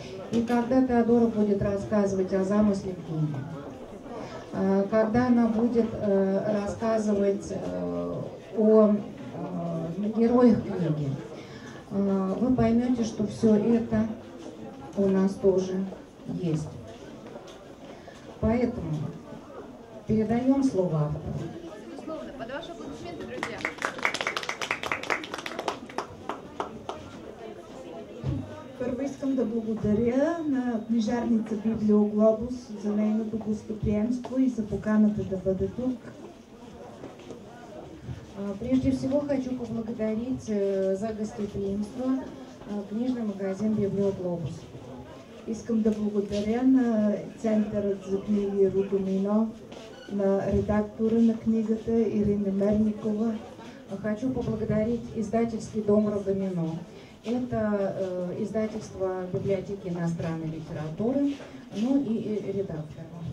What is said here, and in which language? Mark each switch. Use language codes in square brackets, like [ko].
[ru] И когда Теодора будет рассказывать о замысле книги, когда она будет рассказывать о героях книги, вы поймете, что все это у нас тоже есть. Поэтому передаем слово автору. Безусловно, под ваши аплодисменты, друзья. [bg] Първо искам да благодаря на книжарница Библиоглобус за нейното гостоприемство и за поканата да бъда тук. [ru] Прежде всего хочу поблагодарить за гостеприимство книжный магазин Библиоглобус. [bg] Искам да благодаря на Центърът за книги Рудомино, на редактора на книгата Ирина Мерникова. [ru] Хочу поблагодарить издательский дом Рудомино. Это издательство библиотеки иностранной литературы, ну и редактора.